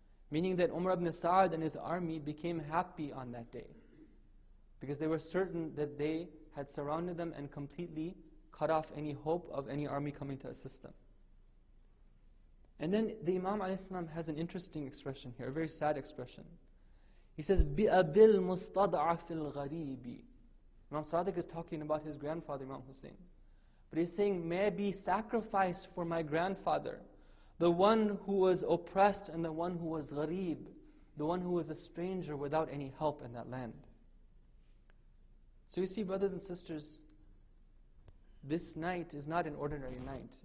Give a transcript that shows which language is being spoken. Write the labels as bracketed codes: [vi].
[en] Meaning that Umar ibn Sa'd and his army became happy on that day, because they were certain that they had surrounded them and completely cut off any hope of any army coming to assist them. And then the Imam alayhi salam has an interesting expression here, a very sad expression. [ar] He says, بِأَبِلْ مُسْتَضْعَفِ الْغَرِيبِ. [en] Imam Sadiq is talking about his grandfather Imam Hussein. But he's saying, may I be sacrificed for my grandfather, the one who was oppressed and the one who was gharib, the one who was a stranger without any help in that land. So you see, brothers and sisters, this night is not an ordinary night.